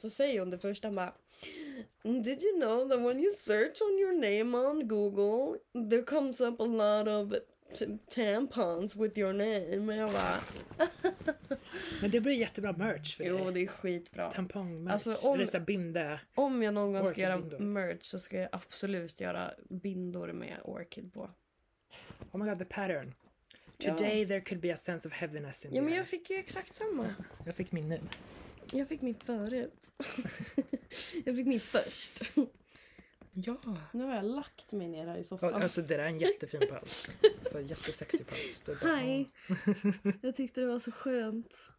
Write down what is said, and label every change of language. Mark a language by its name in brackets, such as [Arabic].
[Swedish] Så säger hon det första, han bara, [English] did you know that when you search on your name on Google there comes up a lot of tampons with your name. [Swedish] Och jag bara... Men det blir jättebra merch för dig. Jo, det är skitbra. Tampongmerch. Alltså om jag någon gång ska göra merch så ska jag absolut göra bindor med Orchid på. [English] Oh my god, the pattern. Today there could be a sense of heaviness in there. [Swedish] Ja, men jag fick ju exakt samma. Ja, jag fick min nu. Jag fick min förut. Jag fick min först. Ja. Nu har jag lagt mig ner här i soffan. Alltså det där är en jättefin puls. Så jättesexig puls. Hej. Jag tyckte det var så skönt.